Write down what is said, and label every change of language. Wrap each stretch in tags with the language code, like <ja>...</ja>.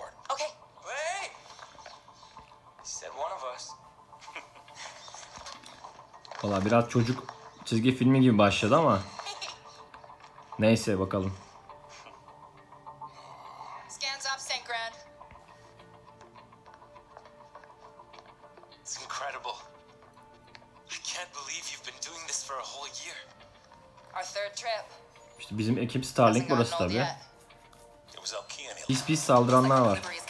<en>Okay. Wait! He said one of us.</en> <tr>Valla biraz çocuk çizgi filmi gibi başladı ama. Neyse bakalım.</tr> <en>Scans off, St. Grand. It's incredible. I can't believe you've been doing this for a whole year. Our third trip.</en> <tr>İşte bizim ekip Starlink burası tabi. Pis pis saldıranlar var.</tr>